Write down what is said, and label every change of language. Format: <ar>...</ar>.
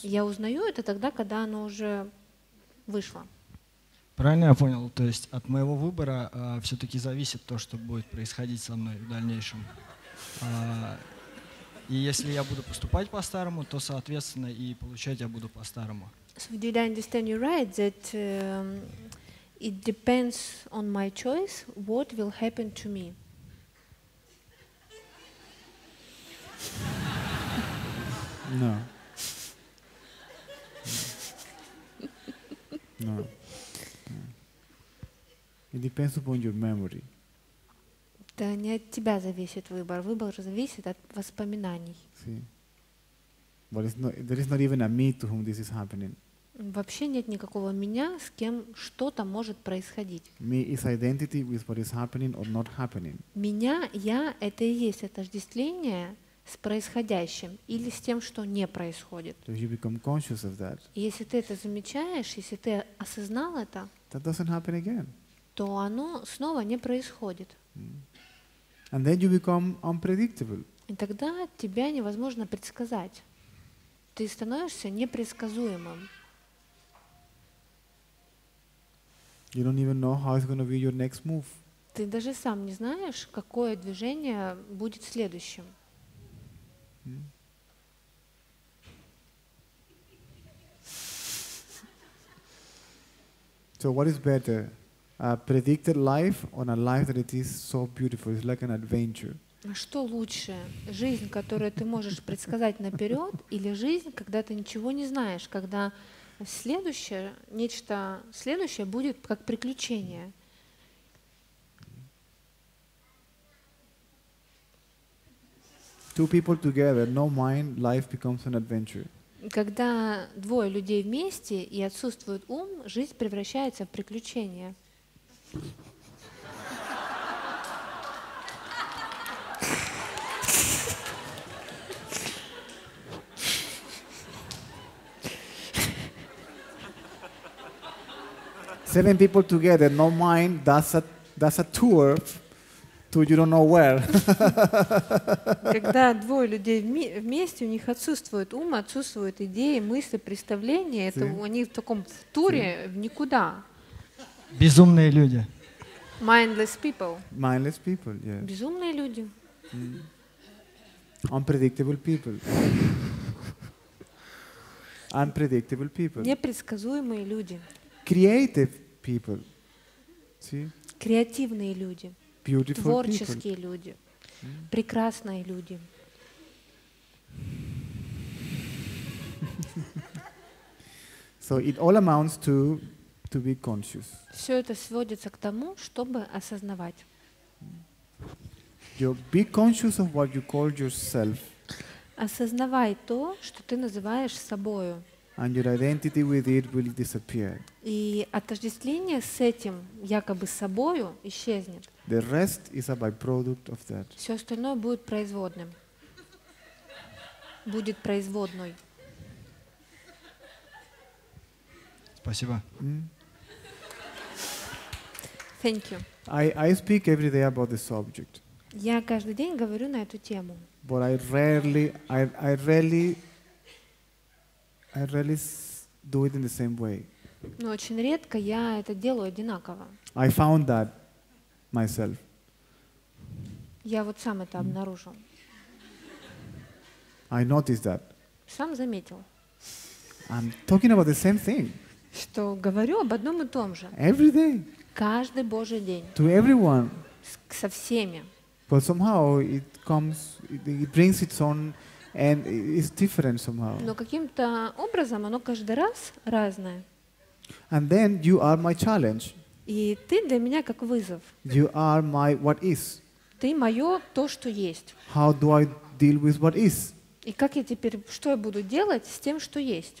<ru>Я узнаю это тогда, когда оно уже вышло. Правильно я понял? То есть от моего выбора все-таки зависит то, что будет происходить со мной в дальнейшем. И если я буду поступать по-старому, то, соответственно, и получать я буду по-старому.</ru> <en>So did I understand you right, that... It depends on my choice what will happen to me. No. No. No. It depends upon your memory.</en> <ru>Это не от тебя зависит выбор. Выбор зависит от воспоминаний.</ru> <en>See. But it's not, there is not even a me to whom this is happening.</en> <ru>Вообще нет никакого меня, с кем что-то может происходить.</ru> <en>Me is identity with what is happening or not happening.</en> <ru>Меня, я, это и есть отождествление с происходящим или с тем, что не происходит.</ru> <en>So you become conscious of that.</en> <ru>Если ты это замечаешь, если ты осознал это,</ru> <en>that doesn't happen again.</en> <ru>То оно снова не происходит.</ru> <en>Mm. And then you become unpredictable.</en> <ru>И тогда тебя невозможно предсказать. Ты становишься непредсказуемым.</ru> <en>You don't even know how it's going to be your next move.</en> <ru>Ты даже сам не знаешь, какое движение будет следующим.</ru> <en>So what is better, a predicted life or a life that it is so beautiful, it's like an adventure?</en> <ru>А что лучше, жизнь, которую ты можешь предсказать наперед, или жизнь, когда ты ничего не знаешь, когда следующее, нечто следующее будет как приключение.</ru> <en>Two people together, no mind, life becomes an adventure.</en> <ru>Когда двое людей вместе и отсутствует ум, жизнь превращается в приключение.</ru> <en>Seven people together, no mind. That's a tour to you don't know where.</en> <ru>Когда двое людей вместе, у них отсутствует ум, отсутствуют идеи, мысли, представления. Это они в таком туре в никуда. Безумные люди.</ru> <en>Mindless people. Mindless people, yes.</en> <ru>Безумные люди.</ru> <en>Unpredictable people. Unpredictable people.</en> <ru>Непредсказуемые люди.</ru> <en>Creative people. See?</en> <ru>Креативные люди.</ru> <en>Beautiful</en> <ru>творческие</ru> <en>people.</en> <ru>Люди. Прекрасные люди.</ru> <en>So it all amounts to be conscious.</en> <ru>Все это сводится к тому, чтобы осознавать.</ru> <en>You be conscious of what you call yourself.</en> <ru>Осознавай то, что ты называешь собою.</ru> <en>And your identity with it will disappear.</en> <ru>И отождествление с этим, якобы собою, исчезнет.</ru> <en>The rest is a byproduct of that.</en> <ru>Все остальное будет производным. Будет производной. Спасибо.</ru> <en>Thank you. I speak every day about the subject.</en> <ru>Я каждый день говорю на эту тему.</ru> <en>But I rarely do it in the same way.</en> <ru>Но очень редко я это делаю одинаково.</ru> <en>I found that myself.</en> <ru>Я вот сам это обнаружил.</ru> <en>I noticed that.</en> <ru>Сам заметил.</ru> <en>I'm talking about the same thing.</en> <ru>Что говорю об одном и том же.</ru> <en>Every day.</en> <ru>Каждый Божий день.</ru> <en>To everyone.</en> <ru>Со всеми.</ru> <en>But somehow it comes, it brings its own, and it's different somehow.</en> <ru>Но каким-то образом оно каждый раз разное.</ru> <en>And then you are my challenge.</en> <ru>И ты для меня как вызов.</ru> <en>You are my what is.</en> <ru>Ты мое то, что есть.</ru> <en>How do I deal with what is?</en> <ru>И как я теперь, что я буду делать с тем, что есть?</ru>